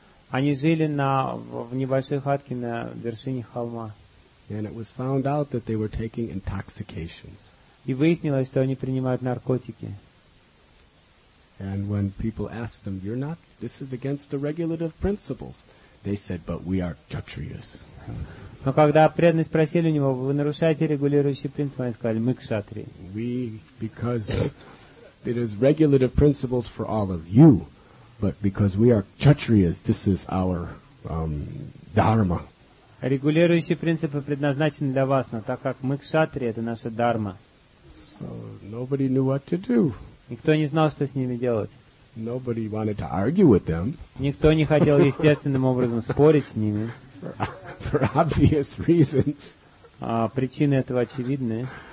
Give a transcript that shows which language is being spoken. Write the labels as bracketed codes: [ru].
[ru] Они жили в небольшой хатке на вершине холма. [en] And it was found out that they were taking intoxications. [ru] И выяснилось, что они принимают наркотики. [en] And when people asked them, "You're not. This is against the regulative principles," they said, "But we are kshatriyas." [ru] Но когда преданные спросили у него, вы нарушаете регулирующие принципы, они сказали, мы кшатри. [en] We, because it is regulative principles for all of you, but because we are kshatriyas, this is our dharma. [ru] Регулирующие принципы предназначены для вас, но так как мы кшатри, это наша дхарма. [en] So nobody knew what to do. [ru] Никто не знал, что с ними делать. [en] Nobody wanted to argue with them. [ru] Никто не хотел естественным образом спорить с ними. [en] For obvious reasons. [ru] Причины этого очевидны.